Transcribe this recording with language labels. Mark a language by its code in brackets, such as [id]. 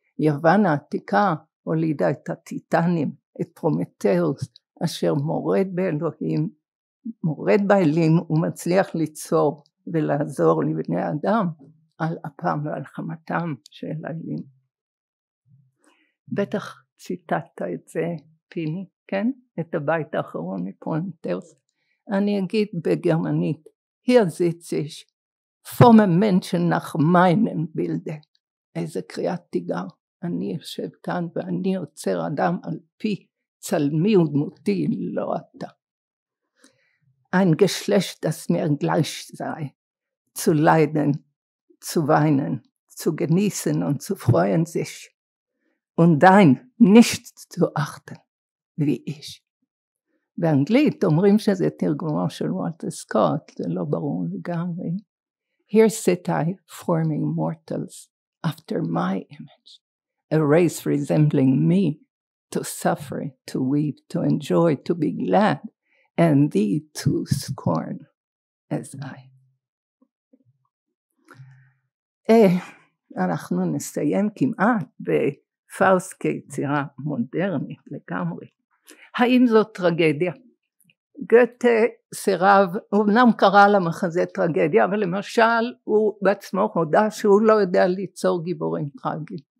[he] יוון העתיקה הולידה את הטיטנים, את פרומטאוס, אשר מורד באלוהים, מורד באלים ומצליח ליצור ולעזור לבני אדם על אפם ועל חמתם של האלים. בטח ציטטת את זה, פיני, כן? את הבית האחרון מפרומטאוס. אני אגיד בגרמנית, [de] hier sitz ich vom Menschen nach meinem Bilde. [he] איזה קריאת תיגר. אני יושב כאן ואני עוצר אדם על פי צלמי ודמותי, לא אתה. [de] Ein Geschlecht, das mir gleich sei, zu leiden, zu weinen, zu genießen und zu freuen sich, und dein nicht zu achten, wie ich. [he] באנגלית אומרים שזה תרגומו של וולטר סקוט, זה לא ברור לגמרי. [en] Here sit I, forming mortals, after my image, a race resembling me, to suffer, to weep, to enjoy, to be glad, and thee to scorn as I. [he] אנחנו נסיים כמעט בפאוסט כיצירה מודרנית לגמרי. האם זאת טרגדיה? גוטה סירב, הוא אמנם קרא למחזה טרגדיה, אבל למשל הוא בעצמו הודע שהוא לא יודע ליצור גיבורים טרגיים.